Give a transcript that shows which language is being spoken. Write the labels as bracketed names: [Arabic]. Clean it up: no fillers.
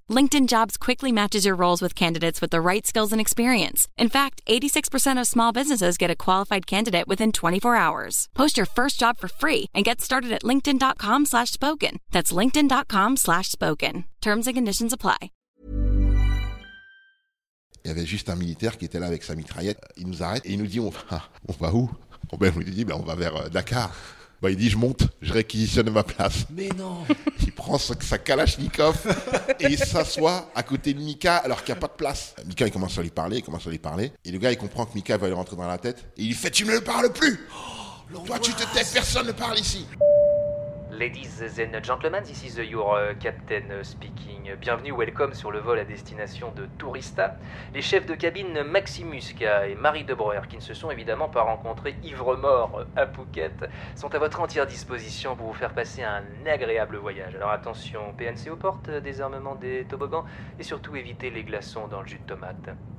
[English] LinkedIn Jobs quickly matches your roles with candidates with the right skills and experience. In fact, 86% of small businesses get a qualified candidate within 24 hours. Post your first job for free and get started at linkedin.com/spoken. That's linkedin.com/spoken. Terms and conditions apply. [French] Il y avait juste un militaire qui était là avec sa mitraillette. Il nous arrête et il nous dit on va où? Oh ben, on lui dit ben on va vers Dakar. Ben, il dit je monte, je réquisitionne ma place. Mais non. Il prend sa Kalachnikov et il s'assoit à côté de Mika alors qu'il n'y a pas de place. Mika il commence à lui parler. Et le gars il comprend que Mika va lui rentrer dans la tête. Et il lui fait tu ne le parles plus. Oh, toi tu te tais, personne ne parle ici. [English] Ladies and gentlemen, this is your captain speaking. [French] Bienvenue, welcome sur le vol à destination de Tourista. Les chefs de cabine Maximuska et Marie De Breuer, qui ne se sont évidemment pas rencontrés ivre-morts à Phuket, sont à votre entière disposition pour vous faire passer un agréable voyage. Alors attention, PNC aux portes, désarmement des toboggans, et surtout évitez les glaçons dans le jus de tomate.